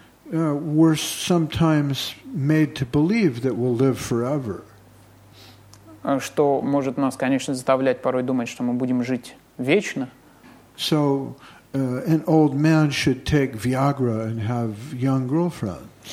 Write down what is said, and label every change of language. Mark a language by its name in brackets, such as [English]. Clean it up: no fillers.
[English] We're sometimes made to believe that we'll live forever. [Russian] Что может нас, конечно, заставлять порой думать, что мы будем жить вечно. [English] So, an old man should take Viagra and have young girlfriends.